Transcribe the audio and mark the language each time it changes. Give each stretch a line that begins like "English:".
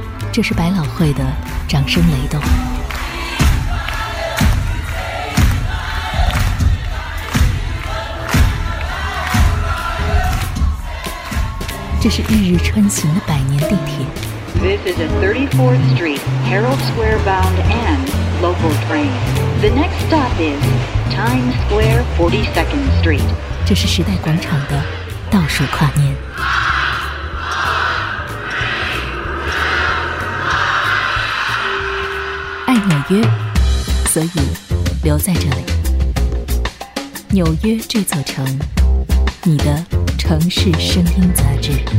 Chinese: 这是百老汇的掌声雷动。这是一日穿行的百年地铁。
English: This is a 34th Street Herald Square bound and local train. The next stop is Times Square 42nd Street.
Chinese: 这是时代广场的倒数跨年。爱纽约，所以留在这里。纽约这座城，你的城市声音杂志。